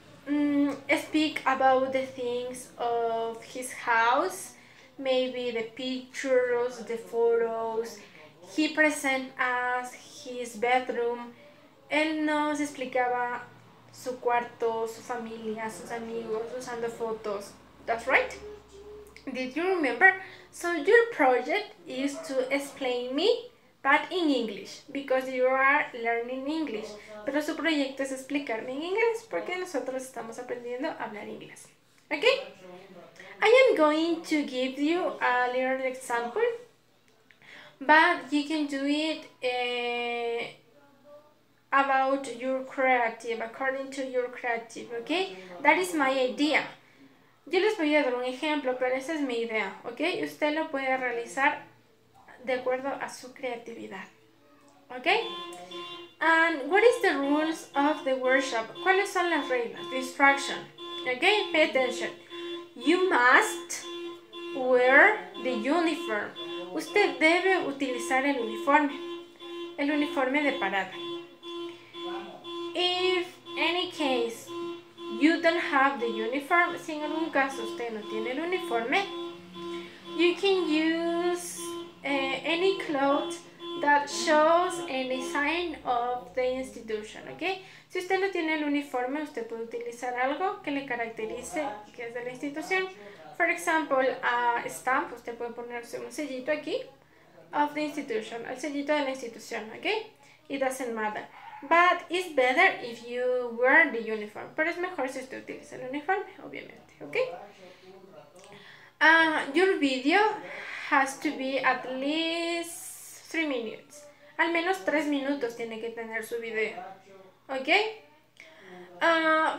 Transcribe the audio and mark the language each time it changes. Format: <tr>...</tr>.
<en>He speak about the things of his house, maybe the pictures, the photos. He present us his bedroom.</en> <es>Él nos explicaba su cuarto, su familia, sus amigos, usando fotos.</es> <en>That's right. Did you remember? So your project is to explain me, but in English, because you are learning English.</en> <es>Pero su proyecto es explicarme en inglés, porque nosotros estamos aprendiendo a hablar inglés.</es> <en>Okay? I am going to give you a little example, but you can do it about your creative, according to your creative, okay? That is my idea.</en> <es>Yo les voy a dar un ejemplo, pero esa es mi idea, ¿ok? Usted lo puede realizar de acuerdo a su creatividad, ¿ok?</es> <en>And what is the rules of the workshop?</en> <es>¿Cuáles son las reglas?</es> <en>Distraction, ¿ok? Pay attention. You must wear the uniform.</en> <es>Usted debe utilizar el uniforme de parada.</es> <en>If any case... You don't have the uniform.</en> <es>Si en algún caso usted no tiene el uniforme,</es> <en>you can use any clothes that shows any sign of the institution, okay?</en> <es>Si usted no tiene el uniforme, usted puede utilizar algo que le caracterice que es de la institución.</es> <en>For example, a stamp,</en> <es>usted puede ponerse un sellito aquí,</es> <en>of the institution,</en> <es>el sellito de la institución,</es> <en>okay? It doesn't matter. But it's better if you wear the uniform.</en> <es>Pero es mejor si usted utiliza el uniforme, obviamente, ¿ok?</es> <en>Your video has to be at least 3 minutes.</en> <es>Al menos 3 minutos tiene que tener su video, ¿ok?</es>